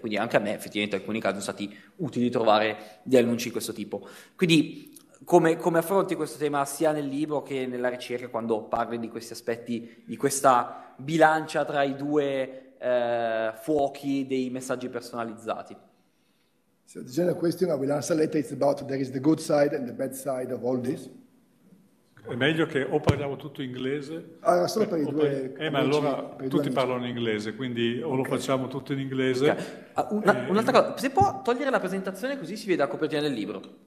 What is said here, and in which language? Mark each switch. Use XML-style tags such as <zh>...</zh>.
<it>Quindi anche a me effettivamente in alcuni casi sono stati utili trovare degli annunci di questo tipo. Quindi come affronti questo tema sia nel libro che nella ricerca, quando parli di questi aspetti, di questa bilancia tra i due fuochi dei messaggi personalizzati?</it> <en>So the general question I will answer later is about there is the good side and the bad side of all this.</en> <it>È meglio che o parliamo tutto inglese. Allora, solo per i due. Ma allora tutti parlano inglese, quindi o lo facciamo tutto in inglese. Okay. Un'altra cosa, se può togliere la presentazione così si vede la copertina del libro.</it>